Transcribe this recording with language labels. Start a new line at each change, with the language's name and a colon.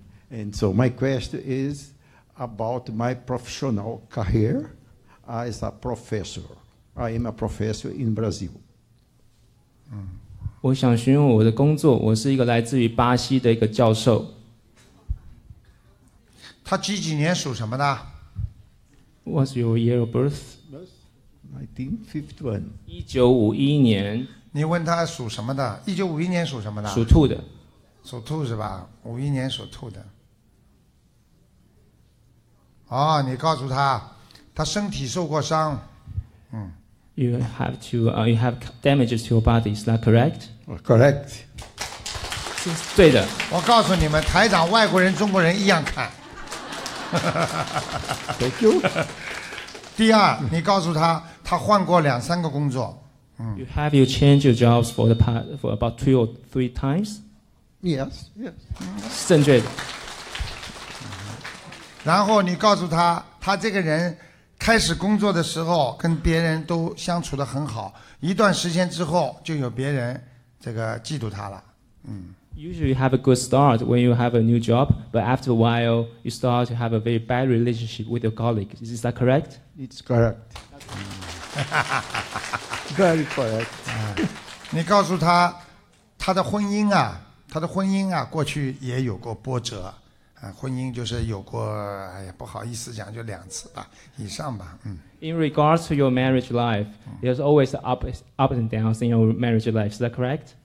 English: And so my question is about my professional career as a professor. I am a professor in Brazil.
Chinese: 我想询问我的工作，我是一个来自于巴西的一个教授。他几几年属什么的
English: ？What's your year of birth?
Chinese: 1951。 1951年。你问他属什么的？1951年属什么的？属兔的。属兔是吧？51年属兔的。哦，你告诉他，他身体受过伤。
English: You have to, you have damages to your body. Is that correct? Correct.
Chinese: 对的。我告诉你们，台长，外国人、中国人一样看。
English: Thank you.
Chinese: 第二，你告诉他，他换过两三个工作。
English: You have you changed your jobs for the past for about 2 or 3 times? Yes, yes.
Chinese: 正确的。然后你告诉他，他这个人开始工作的时候跟别人都相处得很好，一段时间之后就有别人这个嫉妒他了。
English: Usually you have a good start when you have a new job, but after a while, you start to have a very bad relationship with your colleagues. Is that correct? It's correct. Very correct.
Chinese: 你告诉他，他的婚姻啊，他的婚姻啊，过去也有过波折。婚姻就是有过，不好意思讲，就两次吧，以上吧。
English: In regards to your marriage life, there's always ups and downs in your marriage life. Is that correct?